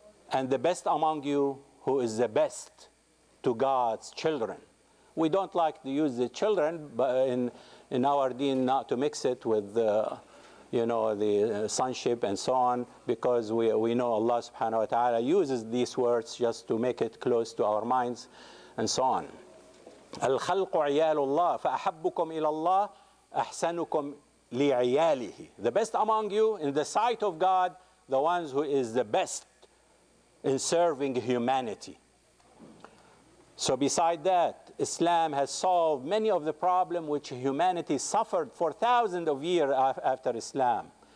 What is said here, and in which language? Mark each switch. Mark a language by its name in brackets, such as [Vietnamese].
[English] And the best among you who is the best to God's children. We don't like to use the children in our deen, not to mix it with the sonship and so on, because we know Allah subhanahu wa ta'ala uses these words just to make it close to our minds and so on. [Arabic] الخلق عيال الله فأحبكم إلى الله أحسنكم لعياله. [English] The best among you in the sight of God, the ones who is the best in serving humanity. So beside that, Islam has solved many of the problems which humanity suffered for thousands of years after Islam.